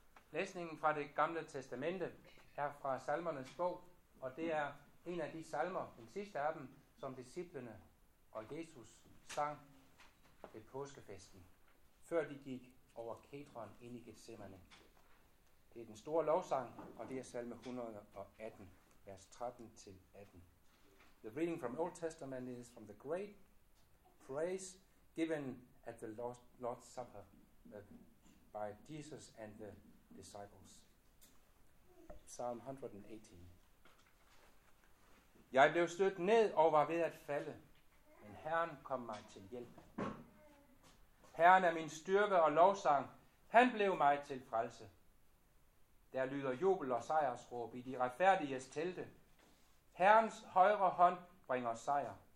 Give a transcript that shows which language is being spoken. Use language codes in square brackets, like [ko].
[da] Læsningen fra det gamle testamente er fra salmernes bog, og det er en af de salmer, den sidste af dem, som disciplene og Jesus sang ved påskefesten, før de gik over Kedron ind i Getsemane. Det er den store lovsang, og det er salme 118, vers 13-18. [en] The reading from Old Testament is from the great praise given at the Lord's Supper by Jesus and the disciples. Psalm 118. [da] Jeg blev stødt ned og var ved at falde, men Herren kom mig til hjælp. Herren er min styrke og lovsang. Han blev mig til frelse. Der lyder jubel og sejrsråb i de retfærdiges telte. Herrens højre hånd bringer sejr.